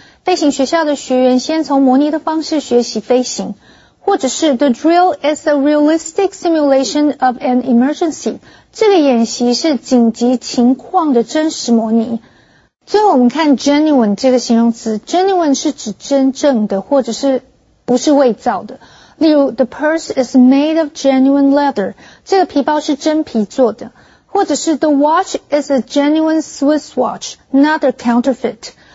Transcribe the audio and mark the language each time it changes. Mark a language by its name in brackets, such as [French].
[Chinese] 飞行学校的学员先从模拟的方式学习飞行。或者是 [English] ,the drill is a realistic simulation of an emergency. [Chinese] 这个演习是紧急情况的真实模拟。最后我们看 genuine 这个形容词 genuine 是指真正的或者是不是伪造的例如 [English] ，the purse is made of genuine leather， [Chinese] 这个皮包是真皮做的，或者是 [English] ，the watch is a genuine Swiss watch， not a counterfeit。